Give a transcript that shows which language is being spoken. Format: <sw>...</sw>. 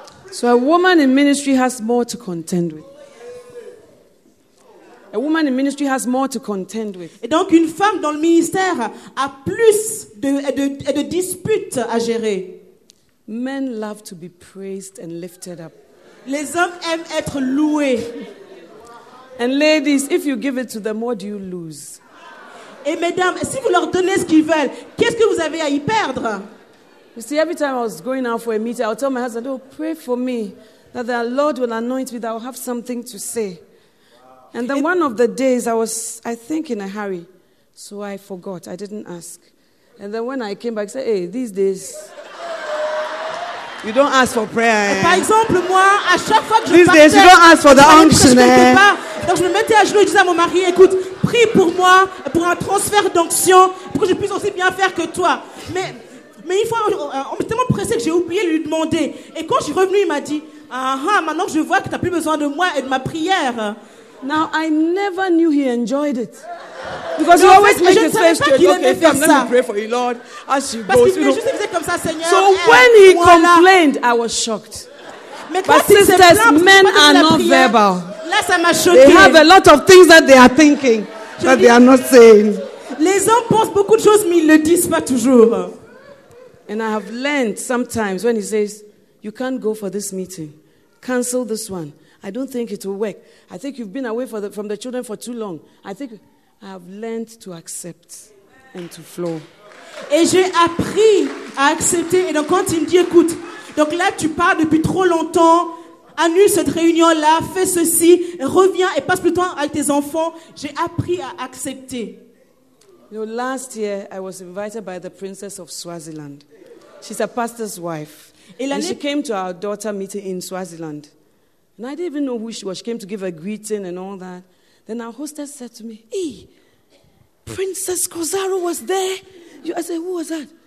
<en>So a woman in ministry has more to contend with. A woman in ministry has more to contend with.</en> <fr>Et donc une femme dans le ministère a plus de disputes à gérer.</fr> <en>Men love to be praised and lifted up.</en> <fr>Les hommes aiment être loués.</fr> <en>And ladies, if you give it to them, what do you lose?</en> <fr>Et mesdames, si vous leur donnez ce qu'ils veulent, qu'est-ce que vous avez à y perdre?</fr> <en>You see, every time I was going out for a meeting, I would tell my husband, "Oh, pray for me that the Lord will anoint me, that I will have something to say." And then one of the days, I was, I think, in a hurry. So I forgot. I didn't ask. And then when I came back, I said, hey, these days, you don't ask for prayer.</en> <fr>Par exemple, moi, à chaque fois que</fr> <en>these</en> <fr>je</fr> <en>days,</en> <fr>partais,</fr> <en>you don't ask for the unction.</en> <fr>Donc je me mettais à genoux et je disais à mon mari, écoute, prie pour moi, pour un transfert d'onction, pour que je puisse aussi bien faire que toi. Mais une fois, on m'a tellement pressé que j'ai oublié de lui demander. Et quand je suis revenu, il m'a dit, maintenant je vois que tu n'as plus besoin de moi et de ma prière.</fr> <en>Now I never knew he enjoyed it because he always made his face to God. Okay, come, let me pray for you, Lord, as you go. So when he complained, I was shocked. But sisters, men are not verbal. They have a lot of things that they are thinking that they are not saying.</en> <fr>Les hommes pensent beaucoup de choses, mais ils le disent pas toujours.</fr> <en>And I have learned sometimes when he says, "You can't go for this meeting. Cancel this one. I don't think it will work. I think you've been away from the children for too long. I think I have learned to accept and to flow."</en> <fr>Et j'ai appris à accepter. Et donc quand il me dit, écoute, donc là tu pars depuis trop longtemps, annule cette réunion-là, fais ceci, reviens et passe plus de temps avec tes enfants. J'ai appris à accepter.</fr> <en>You know, last year, I was invited by the princess of Swaziland. She's a pastor's wife. And she came to our daughter meeting in Swaziland. And I didn't even know who she was. She came to give a greeting and all that. Then our hostess said to me, "Hey, Princess Kozaro was there." I said, "Who was that?"</en>